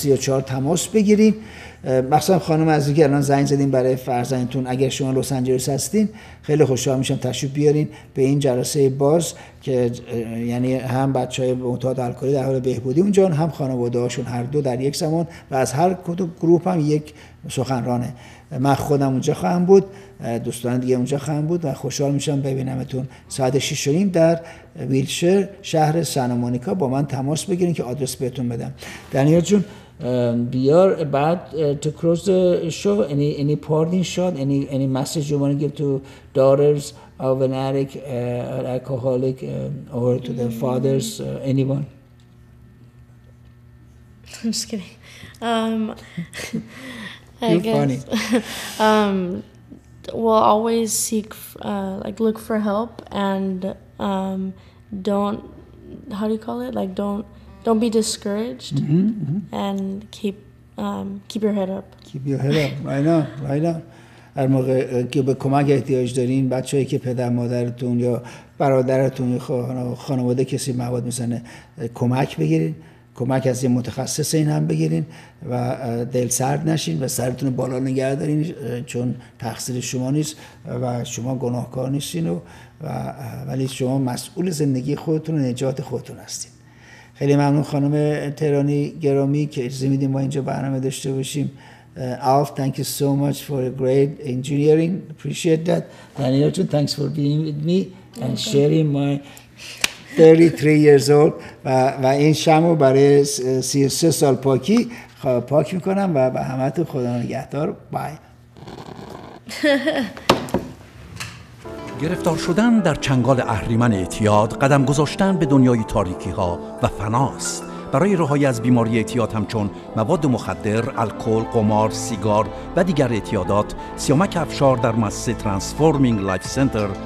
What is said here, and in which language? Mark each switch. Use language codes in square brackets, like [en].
[fa] 818-590-0134 تماس بگیرین مخصوصا خانم عزیزی که الان زنگ زدین برای فرزندتون اگر شما لس آنجلس هستین خیلی خوشحال میشم تشریف بیارین به این جلسه باز که یعنی هم بچهای معتاد الکلی در حال بهبودی اونجا هم خانواده هاشون هر دو در یک زمان و از هر کدوم گروپ هم یک سخنرانه من خودم اونجا خواهم بود دوستان دیگه اونجا خواهم بود و خوشحال میشم ببینمتون ساعت 6:30 در ویلشر شهر سانتا مونیکا با من تماس بگیرین که آدرس بهتون بدم دانیل جون [en] we are about to close the show. Any parting shot? Any message you want to give to daughters of an addict, an alcoholic, or to their fathers? Anyone? I'm just kidding. You're guess, funny. We'll always seek, look for help, and don't. How do you call it? Don't be discouraged and keep your head up. Keep your head up. Right now. [fa] هر موقع که به کمک احتیاج دارین بچه هایی که پدر مادرتون یا برادرتون یا خانواده کسی مواد میزنه کمک بگیرین کمک از یه متخصص این هم بگیرین و دل سرد نشین و سرتون بالا نگه دارین چون تقصیر شما نیست و شما گناهکار نیستین و ولی شما مسئول زندگی خودتون و نجات خودتون هستین خیلی ممنون خانم ترانی گرامی که اجازه میدیم ما اینجا برنامه داشته باشیم. [en] Alf, thank you so much for a great engineering. Appreciate that. Daniel, too, thanks for being with me and sharing my 33 years old. [fa] و این شمو برای 33 سال پاکی پاک میکنم و به همه تو خدا نگهدار. [en] Bye. [fa] گرفتار شدن در چنگال اهریمن اعتیاد قدم گذاشتن به دنیای تاریکی ها و فناست برای رهایی از بیماری اعتیاد همچون مواد مخدر، الکل، قمار، سیگار و دیگر اعتیادات سیامک افشار در مؤسسه ترانسفورمینگ لایف سنتر